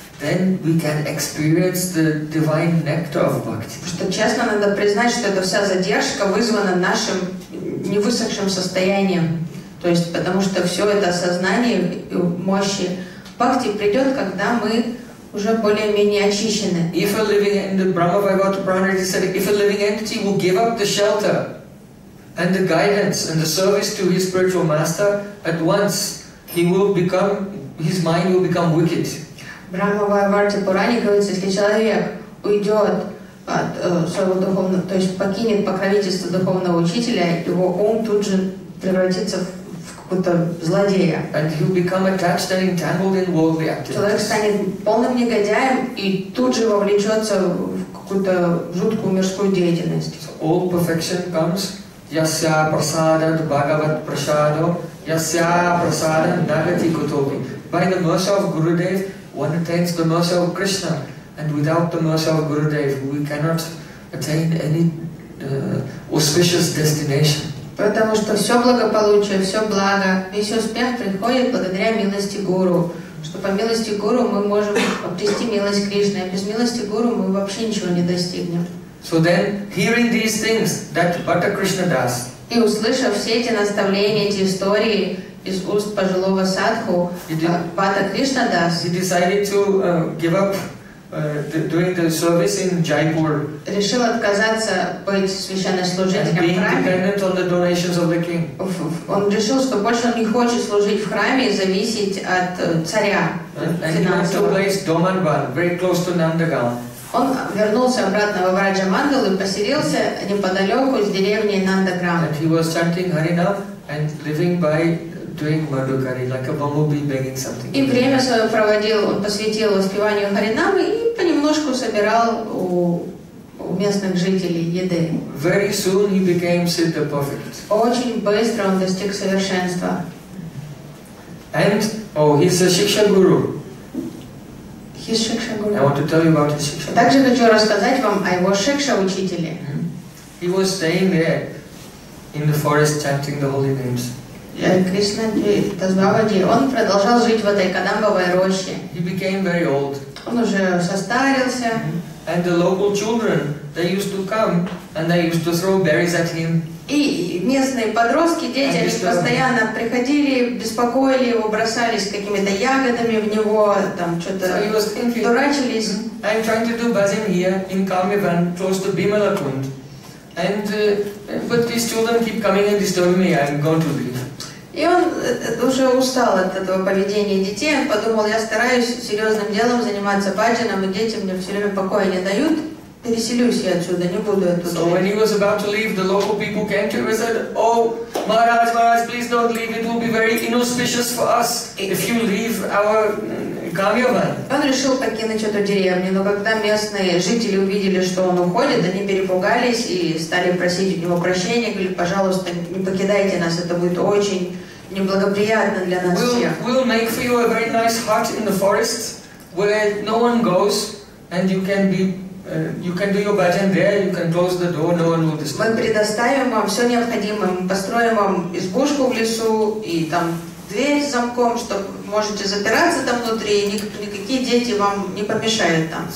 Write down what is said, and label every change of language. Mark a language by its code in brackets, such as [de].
[en] Then we can experience the divine nectar of bhakti. [ru] Что честно надо признать, что это вся задержка вызвана нашим невысохшим состоянием. То есть потому что все это сознание и мощи бхакти придет, когда мы уже более-менее очищены. [en] If a living in the Brahma Vaivarta Prajnati said, if a living entity will give up the shelter and the guidance and the service to his spiritual master, at once his mind will become wicked. [ru] Брахма Вайварте Пуране говорится, если человек уйдет от своего духовного, то есть покинет покровительство духовного учителя, его ум тут же превратится в какого-то злодея. [en] And he'll become attached and entangled in worldly activities. [ru] Человек станет полным негодяем и тут же вовлечется в какую-то жуткую мирскую деятельность. [en] So all perfection comes. [sa] Yasya prasadat bhagavat prasado. Yasya prasadat nagati kutopi. [en] By the mercy of Gurudev, one attains the mercy of Krishna, and without the mercy of Gurudev, we cannot attain any auspicious destination. [ru] Потому что все благополучие, все благо, весь успех приходит благодаря милости Гуру. Что по милости Гуру мы можем обрести милость Кришны, а без милости Гуру мы вообще ничего не достигнем. [en] So then, hearing these things that Bhatta Krishna does. [ru] И услышав все эти наставления, эти истории из уст пожилого садху, Бхатта Кришна дас. [en] He decided to give up doing the service in Jaipur. [ru] Решил отказаться быть священнослужителем в храме. [en] And being dependent on the donations of the king. [ru] Он решил, что больше он не хочет служить в храме и зависеть от царя. [en] And he went to place Domanban, very close to Nandagaon. [ru] Он вернулся обратно в Враджамандалу и поселился неподалеку с деревни Нандаграм. [en] And he was chanting Harinam and living by doing Madhukari, like a bumblebee begging something. [ru] И время свое проводил, он посвятил воспеванию Харинамы и понемножку собирал у местных жителей еды. [en] Very soon he became Siddha perfect. [ru] Очень быстро он достиг совершенства. [en] And, he's a Shiksha Guru. His Shiksha Guru. I want to tell you about his Shiksha Guru. [ru] Также хочу рассказать вам о его Shiksha учителе. [en] He was staying there in the forest chanting the holy names. [ru] Кришна Тазбаваджи, он продолжал жить в этой Кадамбовой роще. [en] He became very old. [ru] Он уже состарился. [en] And the local children, they used to come And they used to throw berries at him. [ru] И местные подростки, дети, они постоянно приходили, беспокоили его, бросались какими-то ягодами в него, там что-то дурачились. [en] I'm trying to do bazin here in Kamivan, close to Bimalakund. And but these children keep coming and disturbing me. I'm going to leave. [ru] И он уже устал от этого поведения детей. Он подумал, я стараюсь серьезным делом заниматься баджаном, и дети мне все время покоя не дают. Переселюсь я отсюда, не буду я тут. [en] So when he was about to leave, the local people came to him and said, "Oh, Maharaj, Maharaj, please don't leave. It will be very inauspicious for us if you leave our Kamyavan." [ru] Он решил покинуть эту деревню, но когда местные жители увидели, что он уходит, они перепугались и стали просить у него прощения, говорили, пожалуйста, не покидайте нас, это будет очень неблагоприятно для нас всех. [en] We'll make for you a very nice hut in the forest where no one goes, and you can be. You can do your bhajan there, you can close the door, no one will disturb. [ru] Мы предоставим вам все необходимое, мы построим вам избушку в лесу и там дверь с замком, чтобы можете запираться там внутри, и никакие дети вам не помешают там.